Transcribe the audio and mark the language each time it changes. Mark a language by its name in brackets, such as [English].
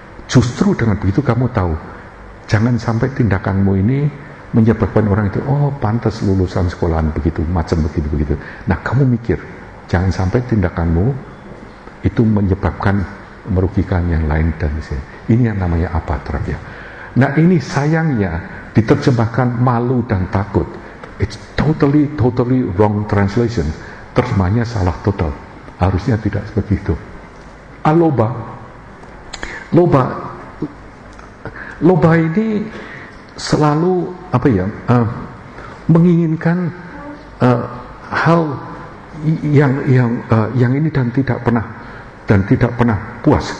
[Indonesian] Justru dengan begitu kamu tahu, jangan sampai tindakanmu ini menyebabkan orang itu, oh pantas lulusan sekolahan begitu, macam begitu-begitu. Nah kamu mikir, jangan sampai tindakanmu itu menyebabkan merugikan yang lain dan sebagainya. Ini yang namanya apa terapi. Nah ini sayangnya diterjemahkan malu dan takut. [English] It's totally, totally wrong translation. [Indonesian] Terjemahnya salah total. Harusnya tidak seperti itu. Aloba. Loba. Loba ini selalu apa ya, menginginkan hal yang ini dan tidak pernah puas.